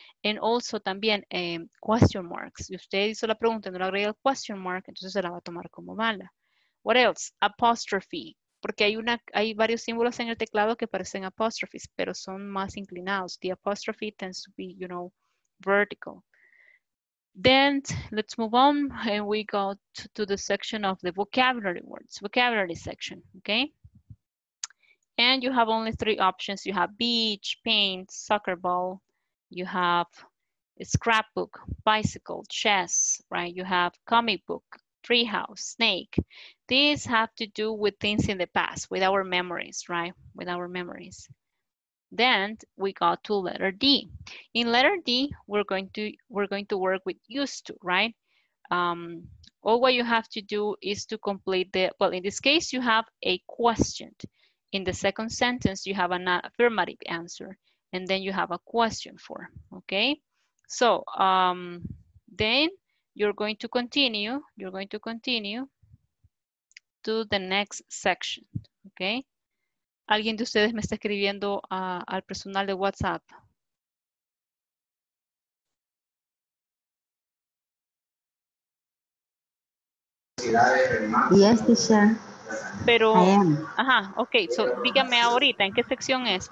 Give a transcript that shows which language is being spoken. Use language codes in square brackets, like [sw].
[en] And also [es] también question marks. Si usted hizo la pregunta y no le agrega el question mark, entonces se la va a tomar como mala. [en] What else? Apostrophe. [es] Porque hay varios símbolos en el teclado que parecen apostrophes, pero son más inclinados. [en] The apostrophe tends to be, you know, vertical. Then, let's move on, and we go to the section of the vocabulary words, vocabulary section, okay? And you have only three options. You have beach, paint, soccer ball. You have a scrapbook, bicycle, chess, right? You have comic book, treehouse, snake. These have to do with things in the past, with our memories, right? With our memories. Then we go to letter D. In letter D, we're going to work with used to, right? All what you have to do is to complete the, well, in this case, you have a question. In the second sentence, you have an affirmative answer, and then you have a question form, okay? So then you're going to continue to the next section, okay? [es] ¿Alguien de ustedes me está escribiendo al personal de WhatsApp? [en] Yes, Tisha. [es] Pero, ajá, ok, so dígame ahorita, ¿en qué sección es?